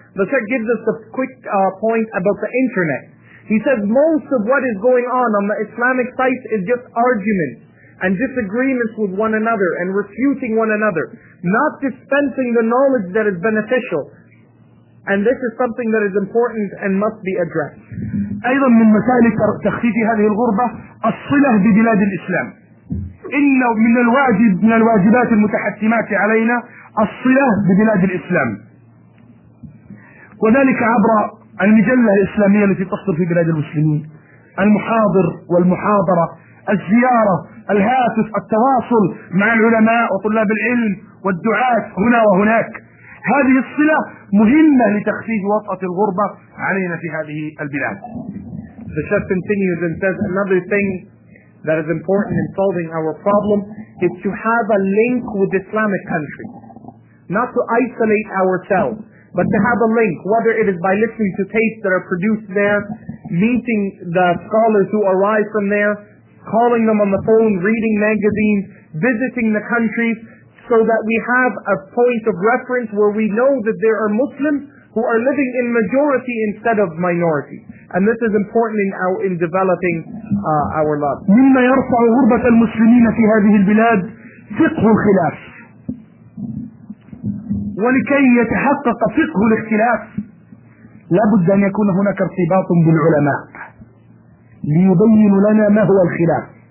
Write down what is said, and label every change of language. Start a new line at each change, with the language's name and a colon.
English: The Sheikh gives us a quick point about the internet. He says most of what is going on the Islamic sites is just arguments and disagreements with one another and refuting one another, not dispensing the knowledge that is beneficial. And this is something that is important and must be addressed.
Arabic: أيضا من مسائل تخفيف هذه الغربة الصلة ببلاد الإسلام. إن من الواجب من الواجبات المتحتمات علينا الصلة ببلاد الإسلام، وذلك عبر المجلة الإسلامية التي تصدر في بلاد المسلمين، المحاضر والمحاضرة، الزيارة، الهاتف، التواصل مع العلماء وطلاب العلم والدعاة هنا وهناك. هذه الصلة مهمة لتخفيف وطأة الغربة علينا في هذه البلاد.
English: The Sheikh continues and says another thing that is important in solving our problem is to have a link with Islamic countries. Not to isolate ourselves, but to have a link, whether it is by listening to tapes that are produced there, meeting the scholars who arrive from there, calling them on the phone, reading magazines, visiting the countries, so that we have a point of reference where we know that there are Muslims who are living in majority instead of minority. And this is important in our in developing our love.
Arabic: مما يرفع غربة المسلمين في هذه البلاد فقه الخلاف. ولكي يتحقق فقه الاختلاف لابد أن يكون هناك ارتباط بالعلماء ليبين لنا ما هو الخلاف.